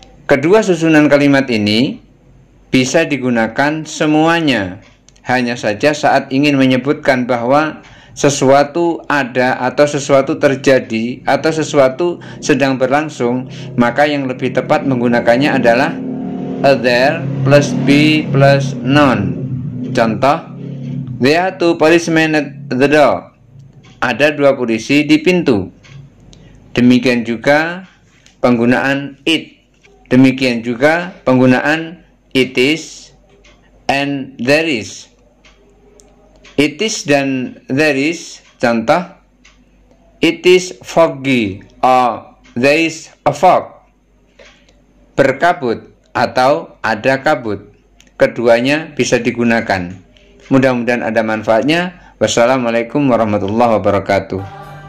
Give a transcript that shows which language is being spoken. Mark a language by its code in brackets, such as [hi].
[id] Kedua susunan kalimat ini bisa digunakan semuanya. Hanya saja saat ingin menyebutkan bahwa sesuatu ada atau sesuatu terjadi atau sesuatu sedang berlangsung, maka yang lebih tepat menggunakannya adalah a [en] there plus be plus none. Contoh, there are two policemen at the door. [id] Ada dua polisi di pintu. Demikian juga penggunaan it. Demikian juga penggunaan [en] it is and there is. It is dan there is, contoh, it is foggy or there is a fog. [id] Berkabut atau ada kabut. Keduanya bisa digunakan. Mudah-mudahan ada manfaatnya. Wassalamualaikum warahmatullahi wabarakatuh.